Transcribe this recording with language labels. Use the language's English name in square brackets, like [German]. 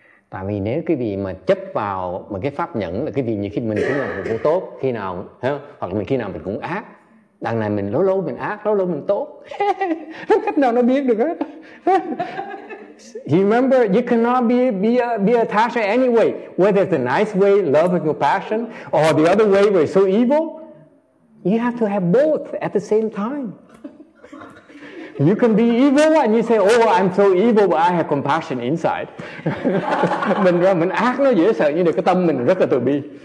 [Vietnamese] Tại vì nếu cái gì mà chấp vào mà cái pháp nhẫn là cái gì như khi mình cũng là mình cũng tốt, khi nào không? Hoặc là mình khi nào mình cũng ác. Đằng này mình lâu lâu mình ác, lâu lâu mình tốt. Không cách nào nó biết được hết. [English] You remember, you cannot be attached to any way, whether it's the nice way, love and compassion, or the other way where it's so evil. You have to have both at the same time. You can be evil and you say, oh, I'm so evil, but I have compassion inside. [Vietnamese] Mình ra mình ác nó dễ sợ, nhưng mà cái tâm mình rất là từ bi.